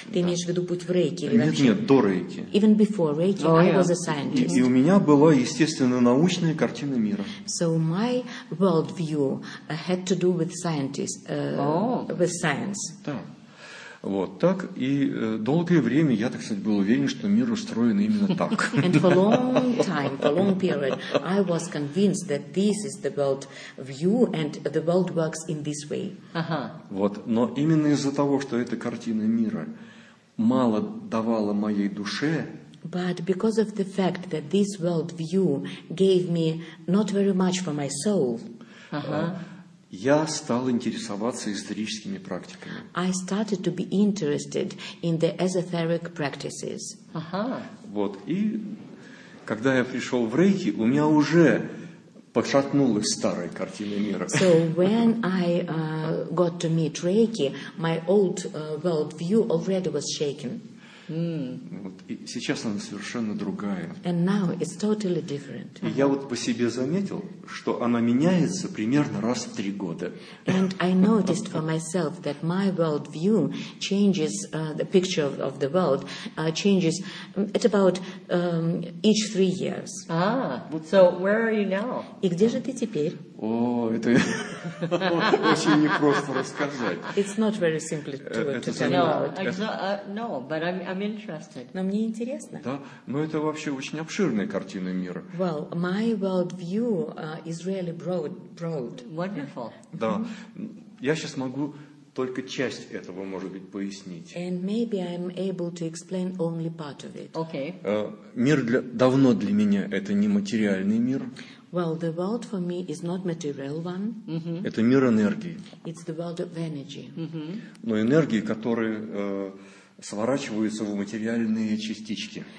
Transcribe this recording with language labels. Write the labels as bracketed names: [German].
[Russian] Ты да. имеешь в виду путь в Рейки или нет, вообще? Нет, до Рейки. [English] Even before Reiki, oh, I yeah. was a scientist. [Russian] И у меня была, естественно, научная картина мира. [English] So my world view had to do with scientists, with science. [Russian] Да. Вот так. И долгое время я, так сказать, был уверен, что мир устроен именно так. [English] And for a long time, for a long period, I was convinced that this is the world view and the world works in this way. Uh-huh. [Russian] Вот. Но именно из-за того, что эта картина мира мало давала моей душе. [English] But because of the fact that this world view gave me not very much for my soul. Uh-huh. [Russian] Я стал интересоваться историческими практиками. [English] I started to be interested in the esoteric practices. Uh-huh. [Russian] Вот, и когда я пришел в Рейки, у меня уже пошатнулась старая картина мира. [English] So when I got to meet Reiki, my old world view already was shaken. Mm. [Russian] Вот. И сейчас она совершенно другая. [English] And now it's totally different. [Russian] И я вот по себе заметил, что она меняется примерно раз в 3 года. [English] And I noticed for myself that my world view changes the picture of the world changes at about each 3 years. Ah, so where are you now? [Russian] И где же ты теперь? О, это очень непросто рассказать. [English] It's not very simple to tell. No, but I'm interested. [Russian] Но мне интересно. Да, но это вообще очень обширная картина мира. [English] Well, my world view is really broad. Broad. Wonderful. [Russian] Да, я сейчас могу только часть этого, может быть, пояснить. [English] And maybe I'm able to explain only part of it. Okay. [Russian] Мир давно для меня это не материальный мир. [English] Well, the world for me is not material one. Mm-hmm. [Russian] Это мир энергии. [English] It's the world of energy. Mm-hmm. [Russian] Но энергии, которые сворачиваются в материальные частички.